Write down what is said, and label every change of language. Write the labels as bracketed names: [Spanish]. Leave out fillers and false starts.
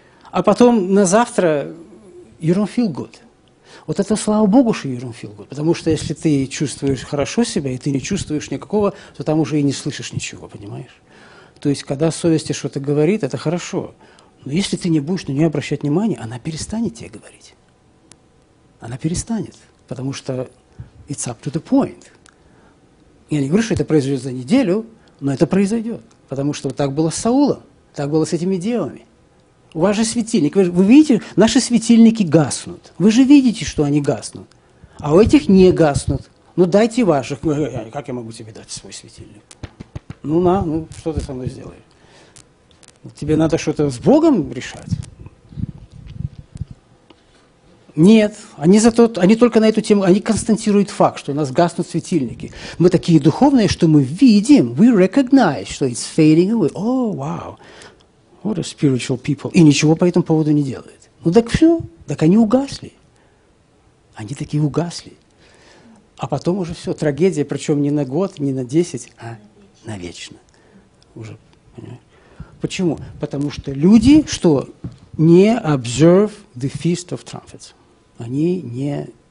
[Russian] А потом на завтра [English] you don't feel good. [Russian] Вот это слава богу, что you don't feel good. Потому что если ты чувствуешь хорошо себя, и ты не чувствуешь никакого, то там уже и не слышишь ничего, понимаешь? То есть, когда совесть что-то говорит, это хорошо. Но если ты не будешь на нее обращать внимание, она перестанет тебе говорить. Она перестанет. Потому что [English] it's up to the point. [Russian] Я не говорю, что это произойдет за неделю, но это произойдет. Потому что вот так было с Саулом, так было с этими делами. У вас же светильник. Вы видите, наши светильники гаснут. Вы же видите, что они гаснут. А у этих не гаснут. Ну, дайте ваших. Как я могу тебе дать свой светильник? Ну, на, ну, что ты со мной сделаешь? Тебе надо что-то с Богом решать? Нет, они только на эту тему, они констатируют факт, что у нас гаснут светильники. Мы такие духовные, что мы видим, [English] we recognize, [Russian] что [English] it's fading away. Oh, wow, what a spiritual people. [Russian] И ничего по этому поводу не делают. Ну так все, так они угасли. Они такие угасли. А потом уже все, трагедия, причем не на год, не на 10, а навечно. Уже, почему? Потому что люди, что не [English] observe the Feast of Trumpets. [Russian] Они не...